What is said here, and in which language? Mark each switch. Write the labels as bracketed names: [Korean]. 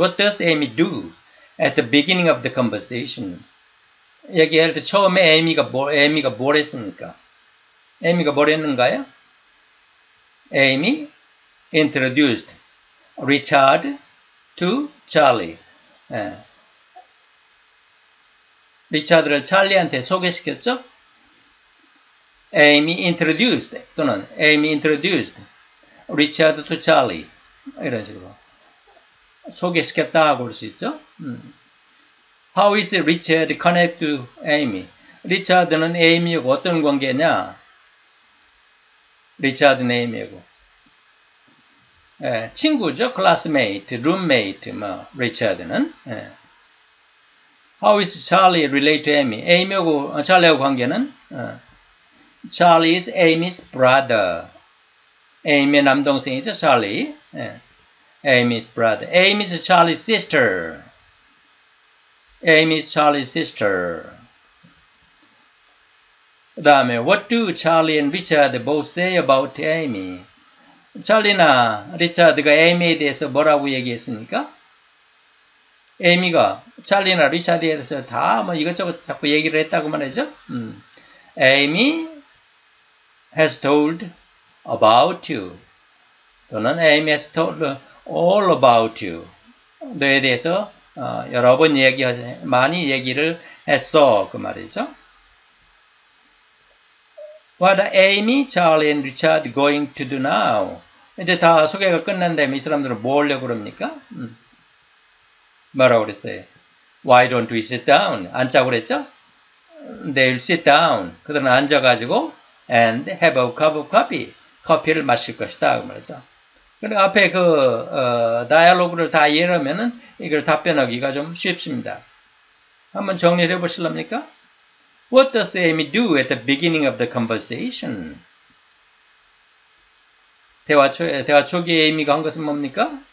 [English] What does Amy do at the beginning of the conversation? [Korean] 얘기할 때 처음에 Amy가 뭘 했습니까? Amy가 뭘 했는가요? [English] Amy introduced Richard to Charlie. [Korean] 예. 리차드를 찰리한테 소개시켰죠? [English] Amy introduced [Korean] 또는 [English] Amy introduced Richard to Charlie [Korean] 이런 식으로 소개시켰다 볼 수 있죠. [English] How is Richard connected to Amy? [Korean] 리차드는 에이미하고 어떤 관계냐? 리차드는 에이미하고 친구죠. [English] Classmate, roommate [Korean] 뭐 리차드는 [English] How is Charlie related to Amy? [Korean] 에이미하고 찰리하고 관계는 [English] Charlie is Amy's brother. [Korean] Amy의 남동생이죠, Charlie. [English] Amy's brother. Amy is Charlie's sister. Amy is Charlie's sister. [Korean] 그 다음에, [English] What do Charlie and Richard both say about Amy? [Korean] Charlie나 Richard가 Amy에 대해서 뭐라고 얘기했습니까? Amy가 Charlie나 Richard에 대해서 다 뭐 이것저것 자꾸 얘기를 했다고 말하죠. [English] Amy has told about you [Korean] 또는 [English] Amy has told all about you [Korean] 너에 대해서 여러 번 많이 얘기를 했어 그 말이죠. [English] What are Amy, Charlie and Richard going to do now? [Korean] 이제 다 소개가 끝난 다음에 이 사람들은 뭐 하려고 그럽니까? 뭐라고 그랬어요? [English] Why don't we sit down? [Korean] 앉자고 그랬죠? [English] They'll sit down. [Korean] 그들은 앉아가지고 [English] And have a cup of coffee. [Korean] 커피를 마실 것이다. 그 말이죠. 근데 앞에 그, 다이아로그를 다 이해하면은 이걸 답변하기가 좀 쉽습니다. 한번 정리를 해보실랍니까? [English] What does Amy do at the beginning of the conversation? [Korean] 대화 초기에 에이미가 한 것은 뭡니까?